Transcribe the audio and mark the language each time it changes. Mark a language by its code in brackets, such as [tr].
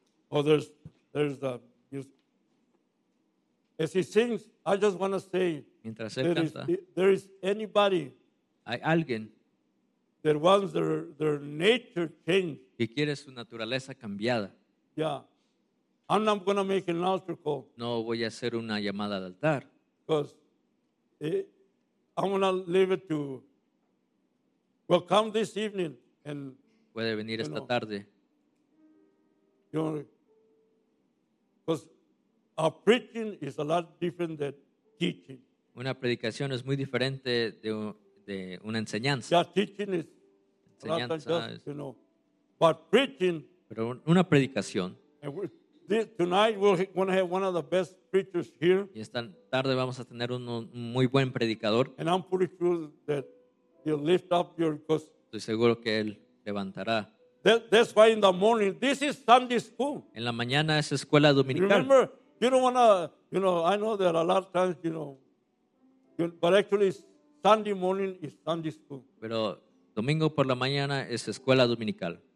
[en] Oh, there's the music. As he sings, I just want to say. [es] Mientras él canta. [en] There is anybody. [es] Hay alguien. [en] That wants their nature changed. [es] Que quiere su naturaleza cambiada. [en] Yeah. I'm not going to make an altar call. [es] No voy a hacer una llamada al altar. [en] Because I'm going to leave it to. Well, come this evening and. [es] Puede venir esta tarde. [en] You know, because our preaching is a lot different than teaching. [es] Una predicación es muy diferente de una enseñanza. [en] Yeah, teaching is. [es] Enseñanza [en] a lot than just, you know, but preaching. [es] Pero una predicación. [en] Tonight we're going to have one of the best preachers here. [es] Y esta tarde vamos a tener un muy buen predicador. [en] And I'm pretty sure that he'll lift up your cause. [es] Estoy seguro que él levantará. [en] That's why in the morning, this is Sunday school. [es] En la mañana es escuela dominical. [en] Remember, you don't want to, you know, I know that a lot of times, you know, but actually Sunday morning is Sunday school. [es] Pero domingo por la mañana es escuela dominical.